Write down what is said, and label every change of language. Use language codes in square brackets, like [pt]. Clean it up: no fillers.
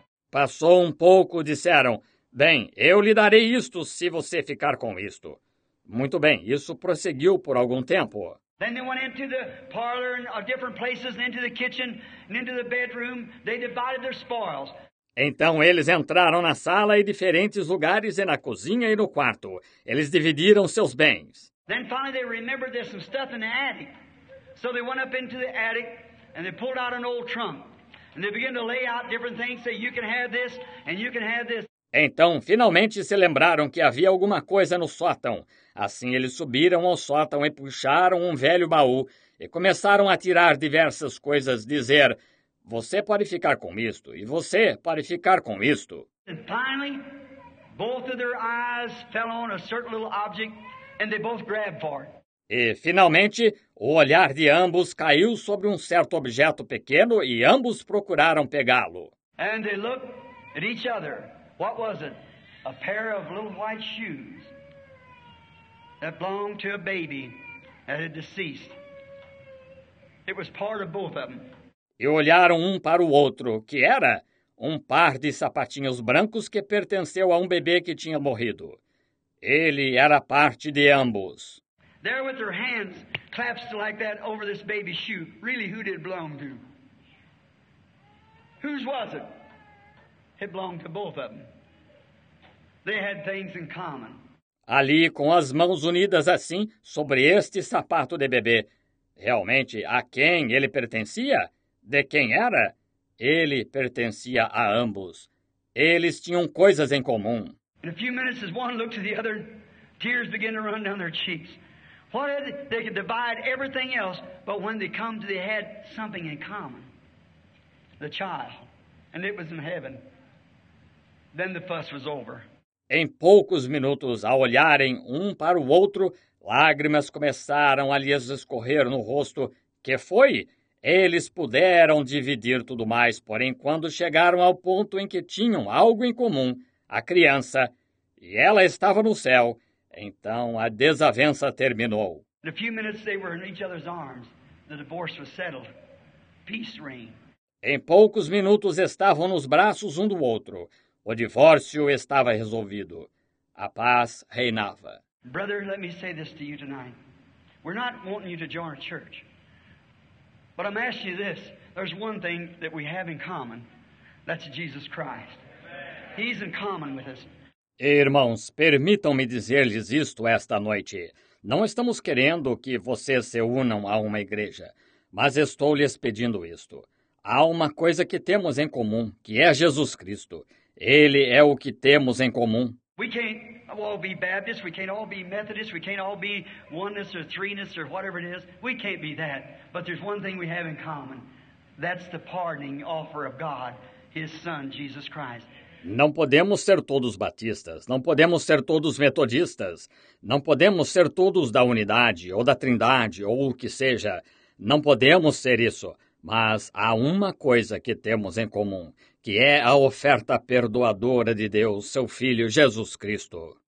[pt] Passou um pouco, disseram, bem, eu lhe darei isto se você ficar com isto. Muito bem, isso prosseguiu por algum tempo. [en] Then they went into the parlor and different places, and into the kitchen, and into the bedroom. They divided their spoils. [pt] Então eles entraram na sala e diferentes lugares, e na cozinha e no quarto. Eles dividiram seus bens. [en] Then finally they remembered there's some stuff in the attic. So they went up into the attic, and they pulled out an old trunk. And they began to lay out different things, say, you can have this, and you can have this. [pt] Então, finalmente se lembraram que havia alguma coisa no sótão. Assim, eles subiram ao sótão e puxaram um velho baú e começaram a tirar diversas coisas, dizer, você pode ficar com isto, e você pode ficar com isto. [en] E, finally, both of their eyes fell on a certain little object, and they both grabbed for it. [pt] E, finalmente, o olhar de ambos caiu sobre um certo objeto pequeno e ambos procuraram pegá-lo. [en] And they looked at each other. What was it? A pair of little white shoes that belonged to a baby that had deceased. It was part of both of them. [pt] E olharam um para o outro, que era um par de sapatinhos brancos que pertenceu a um bebê que tinha morrido. Ele era parte de ambos. [en] There with their hands clasped like that over this baby's shoe. Really, who did it belong to? Whose was it? It belonged to both of them. They had things in common. [pt] Ali, com as mãos unidas assim, sobre este sapato de bebê, realmente, a quem ele pertencia? De quem era? Ele pertencia a ambos. Eles tinham coisas em comum. [en] In a few minutes, as one looked to the other, tears began to run down their cheeks. What if they could divide everything else, but when they come to, they had something in common. The child. And it was in heaven. Then the fuss was over. [pt] Em poucos minutos, ao olharem um para o outro, lágrimas começaram a lhes escorrer no rosto. Que foi? Eles puderam dividir tudo mais, porém, quando chegaram ao ponto em que tinham algo em comum, a criança, e ela estava no céu, então a desavença terminou. [en] In a few minutes, they were in each other's arms. The divorce was settled. Peace reigned. [pt] Em poucos minutos, estavam nos braços um do outro. O divórcio estava resolvido. A paz reinava. [en] Brother, let me say this to you tonight. We're not wanting you to join a church. But I'm asking you this. There's one thing that we have in common. That's Jesus Christ. He's in common with us. [pt] Irmãos, permitam-me dizer-lhes isto esta noite. Não estamos querendo que vocês se unam a uma igreja, mas estou lhes pedindo isto. Há uma coisa que temos em comum, que é Jesus Cristo. Ele é o que temos em comum. [en] We can't all be Baptists, we can't all be Methodists, we can't all be oneness or threeness or whatever it is. We can't be that. But there's one thing we have in common. That's the pardoning offer of God, His Son, Jesus Christ. [pt] Não podemos ser todos batistas, não podemos ser todos metodistas, não podemos ser todos da unidade ou da trindade ou o que seja. Não podemos ser isso. Mas há uma coisa que temos em comum, que é a oferta perdoadora de Deus, seu Filho Jesus Cristo.